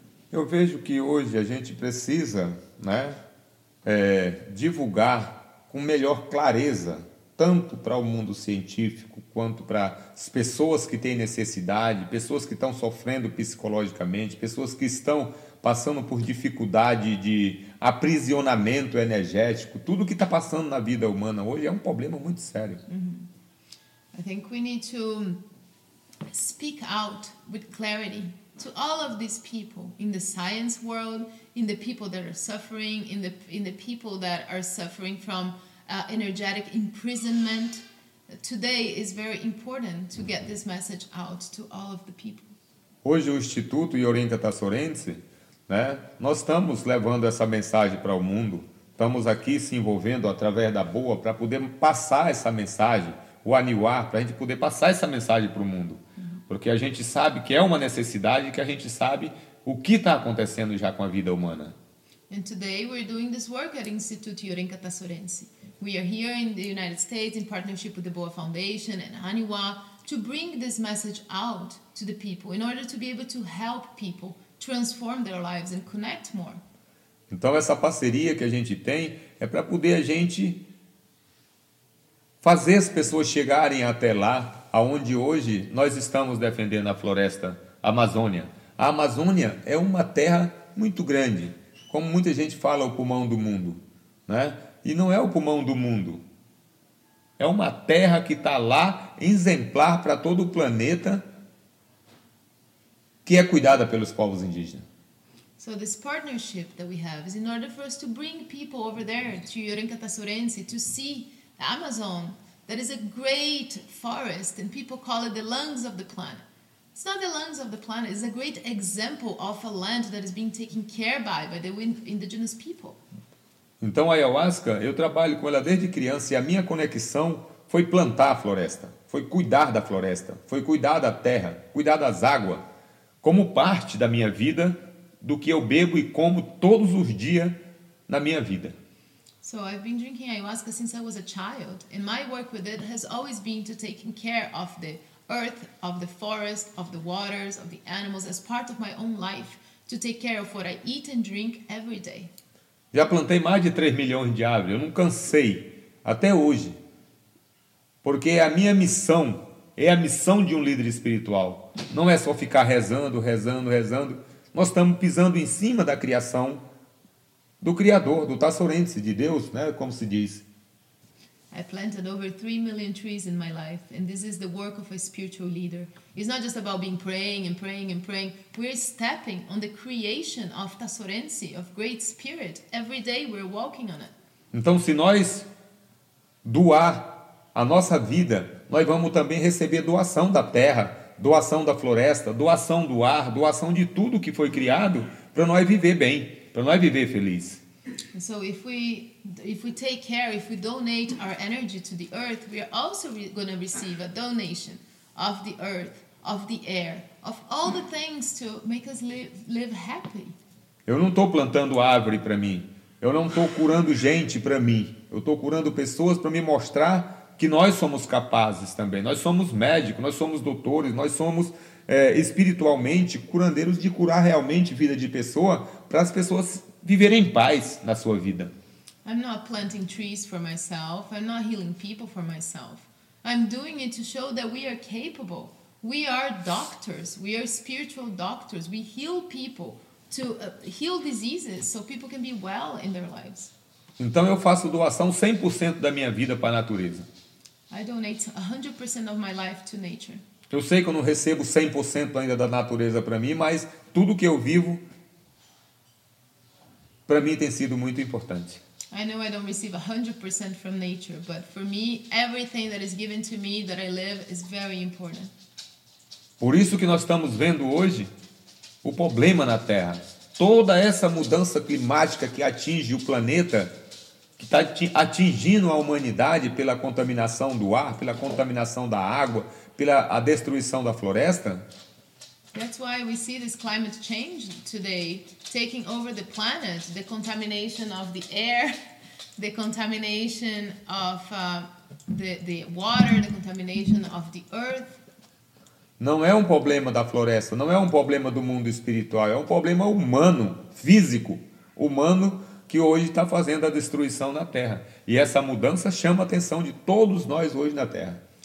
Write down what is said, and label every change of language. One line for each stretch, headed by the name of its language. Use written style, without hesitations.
Portuguese: Eu vejo que hoje a gente precisa, né, divulgar com melhor clareza, tanto para o mundo científico, quanto para as pessoas que têm necessidade, pessoas que estão sofrendo psicologicamente, pessoas que estão passando por dificuldade de aprisionamento energético. Tudo que está passando na vida humana hoje é um problema muito sério. Mm-hmm.
English: I think we need to speak out with clarity to all of these people in the science world, in the people that are suffering, in the people that are suffering from energetic imprisonment. Today is very important to get this message out to all of the people.
Portuguese: Hoje o Instituto Yorinka Tassorense, né, nós estamos levando essa mensagem para o mundo. Estamos aqui se envolvendo através da boa para poder passar essa mensagem, o Aniwar, para a gente poder passar essa mensagem para o mundo. Porque a gente sabe que é uma necessidade, que a gente sabe o que está acontecendo já com a vida humana.
English: And today we're doing this work at Instituto Yorinka Tassorense. We are here in the United States in partnership with the Boa Foundation and Aniwa to bring this message out to the people in order to be able to help people transform their lives and connect more.
Portuguese: Então essa parceria que a gente tem é para poder a gente fazer as pessoas chegarem até lá, aonde hoje nós estamos defendendo a floresta, a Amazônia. A Amazônia é uma terra muito grande, como muita gente fala, o pulmão do mundo, né? E não é o pulmão do mundo. É uma terra que está lá, exemplar para todo o planeta, que é cuidada pelos povos indígenas.
English: So this partnership that we have is in order for us to bring people over there to Yorinka Tassorense to see the Amazon. That is a great forest, and people call it the lungs of the planet. It's not the lungs of the planet. It's a great example of a land that is being taken care by the indigenous people.
Portuguese: Então, a ayahuasca, eu trabalho com ela desde criança, e a minha conexão foi plantar a floresta, foi cuidar da floresta, foi cuidar da terra, cuidar das águas, como parte da minha vida, do que eu bebo e como todos os dias na minha vida.
English: So I've been drinking ayahuasca since I was a child, and my work with it has always been to taking care of the earth, of the forest, of the waters, of the animals, as part of my own life, to take care of what I eat and drink every day.
Portuguese: Já plantei mais de 3 milhões de árvores, eu não cansei, até hoje, porque a minha missão é a missão de líder espiritual. Não é só ficar rezando, nós estamos pisando em cima da criação, do Criador, do Tassorense, de Deus, né, como se diz.
English: I planted over 3 million trees in my life, and this is the work of a spiritual leader. It's not just about being praying. We're stepping on the creation of Tassorense, of great spirit. Every day we're walking on it.
Portuguese: Então, se nós doar a nossa vida, nós vamos também receber doação da terra, doação da floresta, doação do ar, doação de tudo que foi criado para nós viver bem. Para nós viver feliz.
English: So if we take care, if we donate our energy to the earth, we are also going to receive a donation of the earth, of the air, of all the things to make us live happy.
Portuguese: Eu não estou plantando árvore para mim. Eu não estou curando gente para mim. Eu estou curando pessoas para me mostrar que nós somos capazes também. Nós somos médicos, nós somos doutores, nós somos espiritualmente curandeiros de curar realmente vida de pessoa para as pessoas viverem em paz na sua vida.
English: I'm not planting trees for myself. I'm not healing people for myself. I'm doing it to show that we are capable. We are doctors. We are spiritual doctors. We heal people to heal diseases so people can be well in their lives.
Portuguese: Então eu faço doação 100% da minha vida para a natureza.
English: I donate 100% of my life to nature.
Portuguese: Eu sei que eu não recebo 100% ainda da natureza para mim, mas tudo que eu vivo para mim tem sido muito importante.
English: I know I don't receive 100% from nature, but for me, everything that is given to me that I live is very important.
Portuguese: Por isso que nós estamos vendo hoje o problema na Terra. Toda essa mudança climática que atinge o planeta, que está atingindo a humanidade pela contaminação do ar, pela contaminação da água, pela a destruição da floresta.
English: That's why we see this climate change today taking over the planet, the contamination of the air, the contamination of the water, the contamination of the earth.
Portuguese: Não é um problema da floresta, não é um problema do mundo espiritual, é um problema humano, físico, humano, que hoje está fazendo a destruição na Terra. E essa mudança chama a atenção de todos nós hoje na Terra.